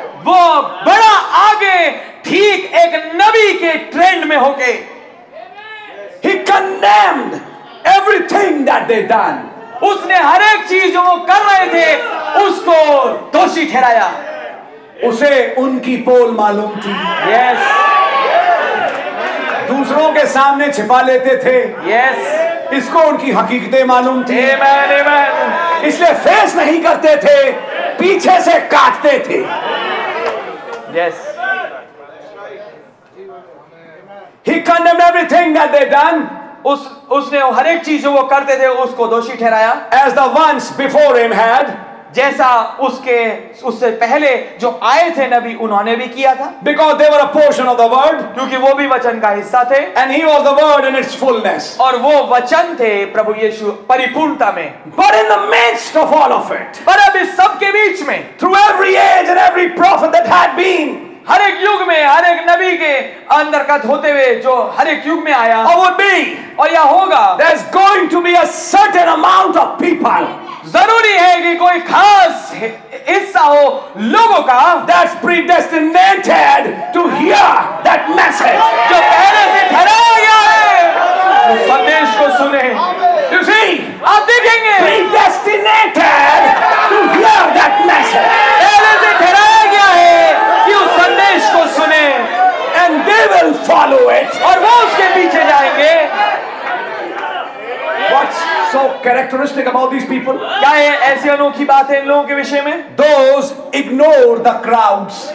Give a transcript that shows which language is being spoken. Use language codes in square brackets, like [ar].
[hi] वो बड़ा आगे ठीक एक नबी के ट्रेंड में होके, [en] he condemned everything that they done. [hi] उसने हर एक चीज जो वो कर रहे थे, उसको दोषी ठहराया. उसे उनकी पोल मालूम थी. [en] Yes. [hi] दूसरों के सामने छिपा लेते थे [en] yes. [hi] इसको उनकी हकीकतें मालूम थी [en] amen, amen. [hi] इसलिए फेस नहीं करते थे पीछे से काटते थे [en] yes. He condemned everything that they done. [hi] उसने हर एक चीज जो वो करते थे उसको दोषी ठहराया [en] As the ones before him had. [hi] जैसा उसके उससे पहले जो आए थे नबी उन्होंने भी किया था [en] because they were a portion of the word [hi] क्योंकि वो भी वचन का हिस्सा थे [en] and he was the word in its fullness [hi] और वो वचन थे प्रभु यीशु परिपूर्णता में [en] but in the midst of all of it [hi] पर अब इस सब के बीच में [en] through every age and every prophet that had been [hi] हर एक युग में हर एक नबी के अंदर का धोते हुए जो हर एक युग में आया [en] would be, [hi] और यह होगा [en] there's going to be a certain amount of people [hi] जरूरी है कि कोई खास हिस्सा हो लोगों का [en] that's predestinated to hear that message [hi] जो पहले से ठहराया गया है उस संदेश को सुने [en] you see [hi] आप देखेंगे [en] predestinated to hear that message [hi] पहले से ठहराया गया है कि उस संदेश को सुने [en] and they will follow it [hi] और वो उसके पीछे जाएंगे [en] What's so characteristic about these people? [hi] क्या ये ऐसी अनोखी बात है इन लोगों के विषय में? [en] Those ignore the crowds.